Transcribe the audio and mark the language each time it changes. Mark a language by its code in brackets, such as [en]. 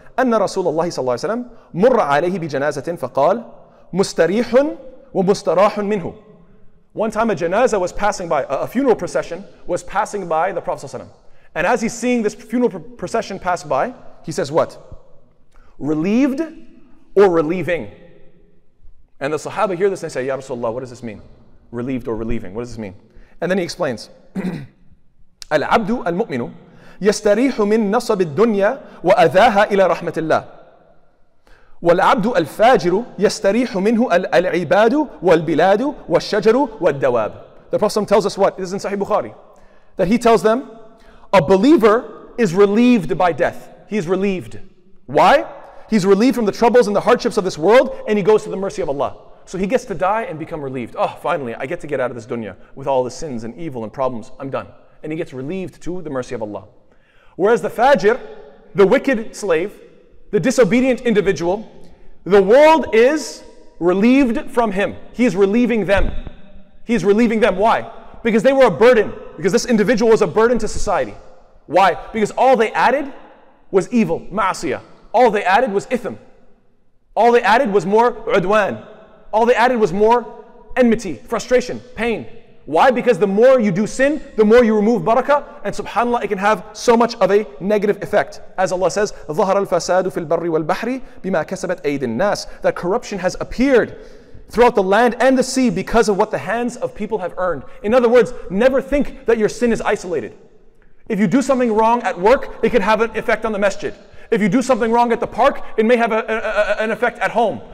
[ar] أن رسول الله صلى الله عليه وسلم مر عليه بجنازة فقال مستريح ومستراح منه. [en] One time a janazah was passing by, a funeral procession was passing by the Prophet [ar] صلى الله عليه وسلم. [en] And as he's seeing this funeral procession pass by, he says what? Relieved or relieving? And the Sahaba hear this and say, Ya Rasulullah, what does this mean? Relieved or relieving, what does this mean? And then he explains, [ar] العبد المؤمن يستريح من نصب الدنيا وأذاها إلى رحمة الله والعبد الفاجر يستريح منه العباد والبلاد والشجر والدواب. [en] The Prophet tells us what? This is in Sahih Bukhari. That he tells them, a believer is relieved by death. He is relieved. Why? He's relieved from the troubles and the hardships of this world, and he goes to the mercy of Allah. So he gets to die and become relieved. Oh, finally, I get to get out of this dunya with all the sins and evil and problems. I'm done. And he gets relieved to the mercy of Allah. Whereas the fajr, the wicked slave, the disobedient individual, the world is relieved from him. He is relieving them. He is relieving them. Why? Because they were a burden. Because this individual was a burden to society. Why? Because all they added was evil, ma'asiyah. All they added was ithm. All they added was more udwan. All they added was more enmity, frustration, pain. Why? Because the more you do sin, the more you remove barakah, and subhanAllah, it can have so much of a negative effect. As Allah says, [ar] ظَهَرَ الْفَسَادُ فِي الْبَرِّ وَالْبَحْرِ بِمَا كَسَبَتْ أَيْدِ النَّاسِ. [en] That corruption has appeared throughout the land and the sea because of what the hands of people have earned. In other words, never think that your sin is isolated. If you do something wrong at work, it can have an effect on the masjid. If you do something wrong at the park, it may have an effect at home.